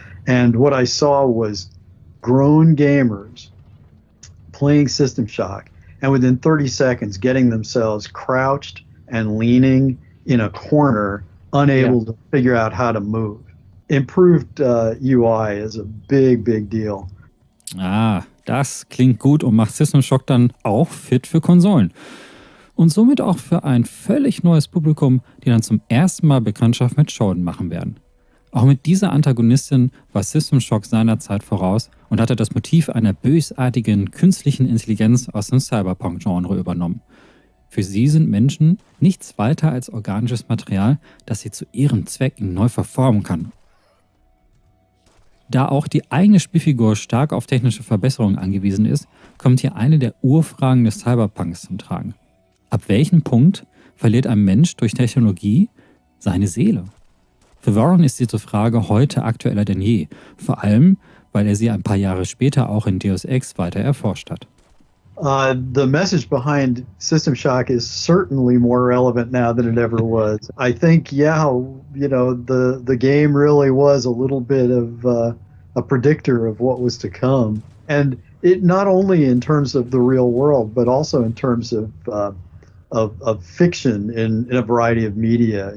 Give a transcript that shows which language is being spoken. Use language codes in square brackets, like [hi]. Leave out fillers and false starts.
[en] And what I saw was grown gamers playing System Shock, and within 30 seconds getting themselves crouched and leaning in a corner, unable to figure out how to move. Improved UI is a big, big deal. [de] Ah, das klingt gut und macht System Shock dann auch fit für Konsolen. Und somit auch für ein völlig neues Publikum, die dann zum ersten Mal Bekanntschaft mit Shodan machen werden. Auch mit dieser Antagonistin war System Shock seinerzeit voraus und hatte das Motiv einer bösartigen künstlichen Intelligenz aus dem Cyberpunk-Genre übernommen. Für sie sind Menschen nichts weiter als organisches Material, das sie zu ihren Zwecken neu verformen kann. Da auch die eigene Spielfigur stark auf technische Verbesserungen angewiesen ist, kommt hier eine der Urfragen des Cyberpunks zum Tragen. Ab welchem Punkt verliert ein Mensch durch Technologie seine Seele? Für Warren ist diese Frage heute aktueller denn je, vor allem, weil er sie ein paar Jahre später auch in Deus Ex weiter erforscht hat. [en] The message behind System Shock is certainly more relevant now than it ever was. I think, yeah, you know, the game really was a little bit of a predictor of what was to come. And it not only in terms of the real world, but also in terms of fiction in a variety of media.